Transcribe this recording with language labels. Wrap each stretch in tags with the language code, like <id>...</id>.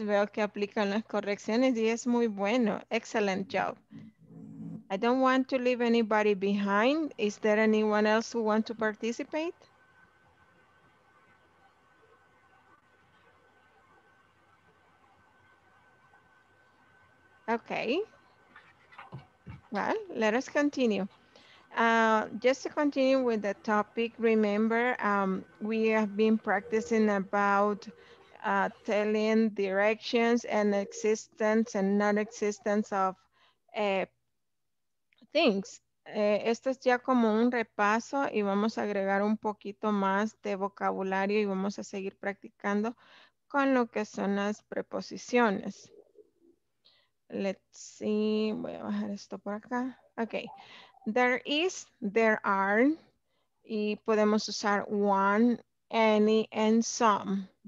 <es>Veo que aplican las correcciones y es muy bueno.</es> <en>Excellent job. I don't want to leave anybody behind. Is there anyone else who wants to participate? Okay. Well, let us continue. Just to continue with the topic, remember, we have been practicing about telling directions and existence and non-existence of things.</en> <es>Esto es ya como un repaso y vamos a agregar un poquito más de vocabulario y vamos a seguir practicando con lo que son las preposiciones.</es> <en>Let's see,</en> <es>voy a bajar esto por acá.</es> <en>Okay, there is, there are,</en> <es>y podemos usar</es> <en>one, any, and some.</en>